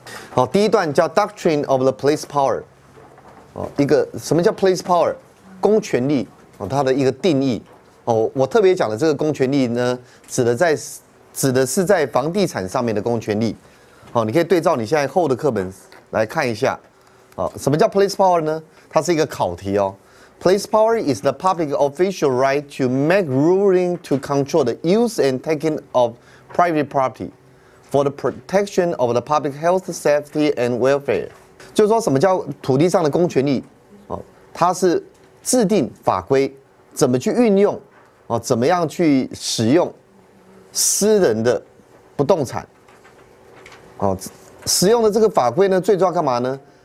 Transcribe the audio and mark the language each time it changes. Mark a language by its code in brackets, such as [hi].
[zh] 好，第一段叫 [en] Doctrine of the Police Power。 [zh] 哦，一个什么叫 Police Power？ 公权力。哦，它的一个定义。哦，我特别讲的这个公权力呢，指的是在房地产上面的公权力。哦，你可以对照你现在厚的课本来看一下。哦，什么叫 Police Power 呢？它是一个考题哦。 [en] Police power is the public official right to make ruling to control the use and taking of private property for the protection of the public health, safety and welfare. [zh] 就是说什么叫土地上的公权力，哦，它是制定法规怎么去运用，哦，怎么样去使用私人的不动产，哦，使用的这个法规呢，最主要干嘛呢？